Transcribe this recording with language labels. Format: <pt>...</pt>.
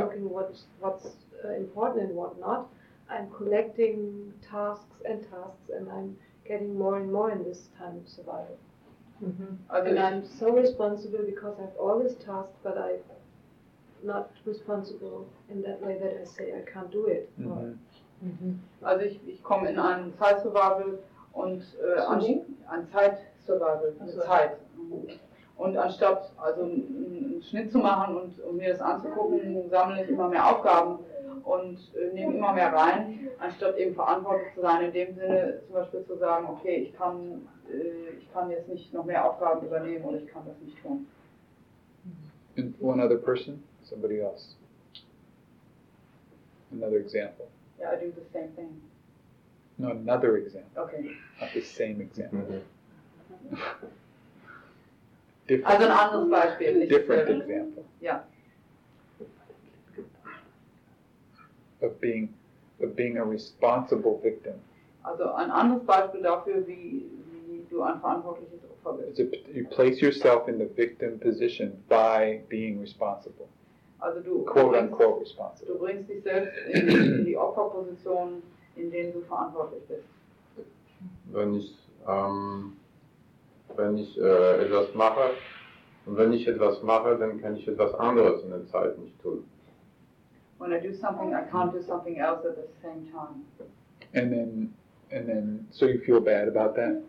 <en>looking what's important and what not, I'm collecting tasks and I'm getting more and more in this time survival. Mm-hmm. And I'm so responsible because I have all these tasks, but I'm not responsible in that way that I say I can't do it. Mm-hmm. Mm-hmm.</en> <de>Also ich komme in einen Zeit-Survival und ein Zeit-Survival, eine so. Zeit. Und anstatt also einen Schnitt zu machen und mir das anzugucken, sammle ich immer mehr Aufgaben und nehme immer mehr rein, anstatt eben verantwortlich zu sein, in dem Sinne zum Beispiel zu sagen, okay, ich kann jetzt nicht noch mehr Aufgaben übernehmen oder ich kann das nicht tun.</de> <en>And one other person? Somebody else? Another example? Yeah, I do the same thing. No, another example. Okay. Not the same example. Mm-hmm.</en> <de>Also ein anderes Beispiel. Nicht</de> <en>different example. Yeah. Of being a responsible victim.</en> <de>Also ein anderes Beispiel dafür, wie du ein verantwortliches Opfer bist.</de> <en>You place yourself in the victim position by being responsible.</en> <de>Also du</de> <en>quote unquote responsible.</en> <de>Du bringst dich selbst in die Opferposition, in der du verantwortlich bist. Wenn ich etwas mache, dann kann ich etwas anderes in der Zeit nicht tun.</de> <en>When I do something, I can't do something else at the same time. And then, so you feel bad about that?</en>